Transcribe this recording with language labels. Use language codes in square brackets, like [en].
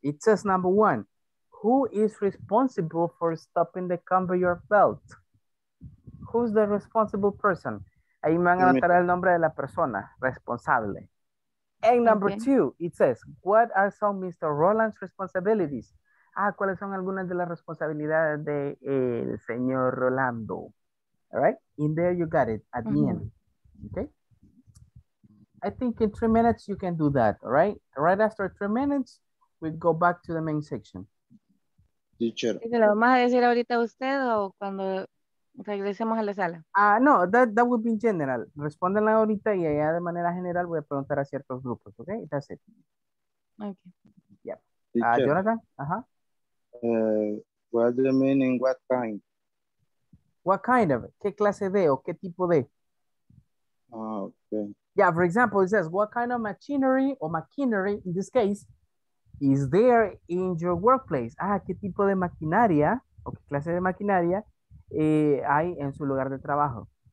[en] It says number one, who is responsible for stopping the conveyor belt? Who's the responsible person? [es] Ahí me van a notar el nombre de la persona responsable. [en] And number two, it says, what are some Mr. Roland's responsibilities? [es] ¿Cuáles son algunas de las responsabilidades de el señor Rolando? [en] All right, in there you got it, at the end, okay? I think in 3 minutes you can do that, all right? Right after 3 minutes, we go back to the main section. Teacher. [es] ¿Se lo vamos a decir ahorita a usted o cuando regresemos a la sala? [en] No, that would be in general. [es] Respondan ahorita y allá de manera general voy a preguntar a ciertos grupos, okay? [en] That's it. Okay. Jonathan, What do you mean in what kind? What kind of? [es] ¿Qué clase de o qué tipo de? [en] Okay. Yeah, for example, it says, what kind of machinery, in this case, is there in your workplace? [es] ¿Qué tipo de maquinaria o qué clase de maquinaria hay en su lugar de trabajo?